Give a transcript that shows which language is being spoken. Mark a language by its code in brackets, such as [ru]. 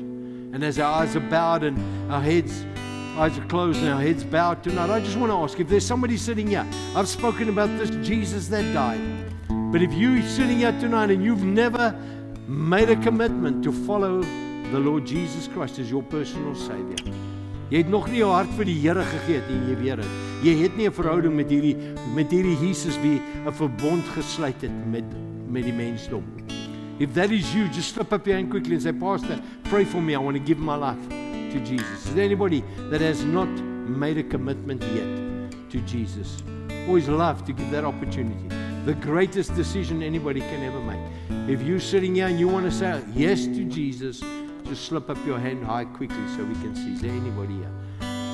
[en] And as our eyes are bowed and our eyes are closed and our heads bowed tonight, I just want to ask, if there's somebody sitting here, I've spoken about this Jesus that died, but if you're sitting here tonight and you've never made a commitment to follow the Lord Jesus Christ as your personal Savior, [af] jy het nog nie jou hart vir die Here gegee nie, jy weet dit. Jy het nie 'n verhouding met hierdie Jesus wie 'n verbond gesluit het met die mensdom. [en] If that is you, just slip up your hand quickly and say, Pastor, pray for me. I want to give my life to Jesus. Is there anybody that has not made a commitment yet to Jesus? Always love to give that opportunity. The greatest decision anybody can ever make. If you're sitting here and you want to say yes to Jesus, just slip up your hand high quickly so we can see. Is there anybody here?